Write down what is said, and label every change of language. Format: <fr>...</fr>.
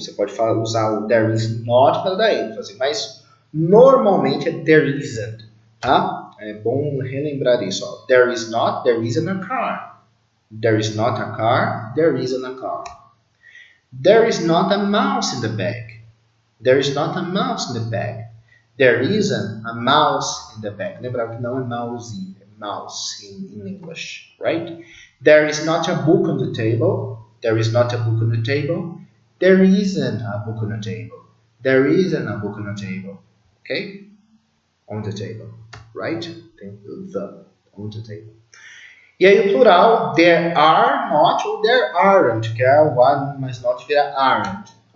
<pt>Você pode falar, usar o there is not para dar ênfase. Mas, normalmente, é there isn't. Tá? É bom relembrar isso.</pt> <en>Ó. There is not, there isn't a car. There is not a car, there isn't a car. There is not a mouse in the bag. There is not a mouse in the bag. There isn't a mouse in the bag.</en> <pt>Lembrar que não é mouse, é mouse</pt> <en>in English, right? There is not a book on the table. There is not a book on the table. There isn't a book on the table. There isn't a book on the table. Okay? On the table, right? The on the table.</en> <pt>E aí o plural, there are not ou there aren't, que é o are, mas not vira aren't.</pt>